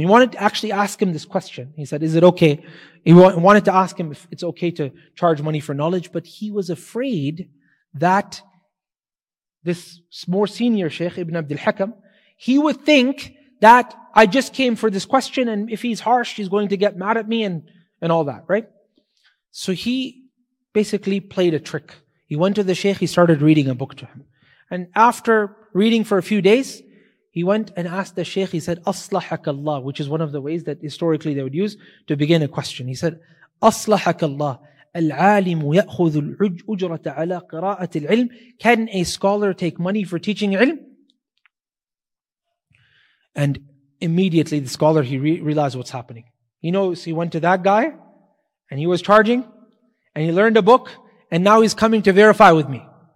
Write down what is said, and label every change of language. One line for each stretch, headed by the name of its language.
English: He wanted to actually ask him this question. He said, is it okay? He wanted to ask him if it's okay to charge money for knowledge, but he was afraid that this more senior sheikh, Ibn Abdul Hakam, he would think that I just came for this question, and if he's harsh, he's going to get mad at me and all that, right? So he basically played a trick. He went to the sheikh, he started reading a book to him. And after reading for a few days, he went and asked the sheikh, he said,
Arabic: أَصْلَحَكَ اللَّهُ,
English: which is one of the ways that historically they would use to begin a question.
Arabic: He said, أَصْلَحَكَ اللَّهُ الْعَالِمُ يَأْخُذُ الْعُجْرَةَ عَلَىٰ قِرَاءَةِ الْعِلْمِ.
English: Can a scholar take money for teaching ilm? And immediately the scholar, he realized what's happening. He knows he went to that guy and he was charging and he learned a book and now he's coming to verify with me.